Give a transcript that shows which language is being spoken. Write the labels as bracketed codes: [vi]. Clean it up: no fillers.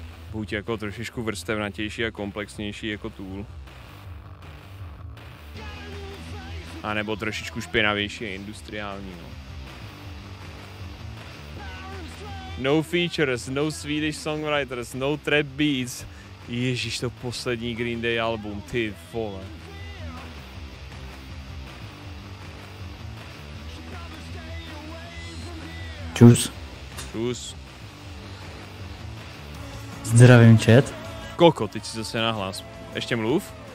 [cs] Buď jako trošičku vrstevnatější a komplexnější jako Tool. A nebo trošičku špinavější a industriální, no. [en] No features, no Swedish songwriters, no trap beats. [cs] Ježíš, to poslední Green Day album, ty vole. Čus. Čus. Zdravím chat. Koko, teď si zase nahlas. Ještě mluv?